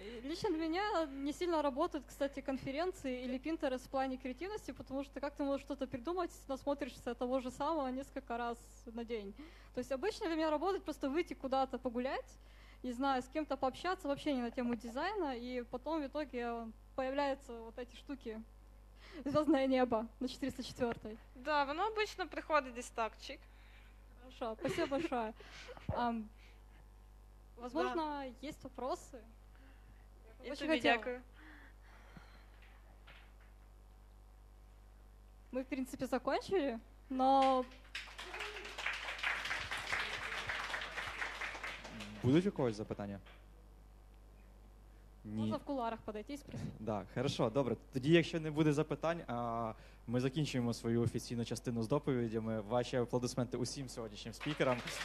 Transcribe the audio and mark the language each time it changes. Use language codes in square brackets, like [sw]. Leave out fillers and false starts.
[uk] Лично для мене не сильно працюють, кстати, конференції или Pinterest в плані креативності, тому що ти як ти можеш щось придумати, насмотришся того ж самого кілька разів на день. Тобто, обычно для мене працює просто вийти куди-то погуляти, не знаю, з ким-то пообщатися, взагалі не на тему дизайну, і потім в итоге появляються вот эти штуки. [ru] Звездне небо на 404-й. [uk] Да, воно обычно приходить десь так, чик. [ru] Хорошо, спасибо большое. Возможно, да. Есть вопросы? [uk] Я тебе дякую. [ru] Мы, в принципе, закончили, но... [uk] Будуть у когось запитання? Ні. Можна в кулуарах подойти і спросити. [ru] Да, хорошо, добре. [uk] Тоді, якщо не буде запитань, ми закінчуємо свою офіційну частину з доповідями. Ваші аплодисменти усім сьогоднішнім спікерам.